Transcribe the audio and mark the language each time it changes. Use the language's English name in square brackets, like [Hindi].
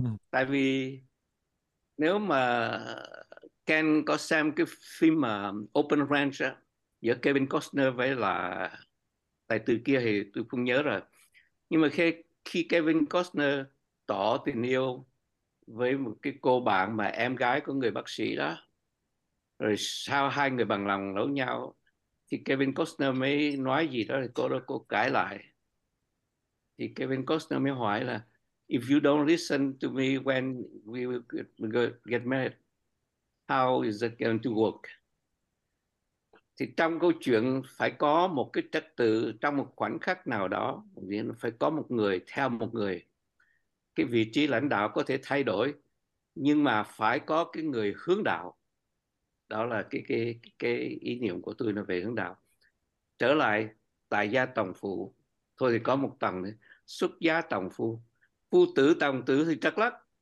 [Vietnamese] Tại vì nếu mà Ken có xem cái phim Open Range giữa Kevin Costner với là tài tử kia thì tôi không nhớ rồi. Nhưng mà khi Kevin Costner tỏ tình yêu với một cái cô bạn mà em gái của người bác sĩ đó, rồi sau hai người bằng lòng lẫn nhau, thì Kevin Costner mới nói gì đó thì cô đó cô cãi lại. Thì Kevin Costner mới hỏi là [English] if you don't listen to me when we get married, how is it going to work? [Vietnamese] Thì trong câu chuyện phải có một cái trật tự, trong một khoảnh khắc nào đó phải có một người theo một người. Cái vị trí lãnh đạo có thể thay đổi, nhưng mà phải có cái người hướng đạo. Đó là cái ý niệm của tôi về hướng đạo. Trở lại tại gia tòng phụ, thôi thì có một tầng nữa, xuất gia tòng phu, phu tử tòng tử thì chắc lắc.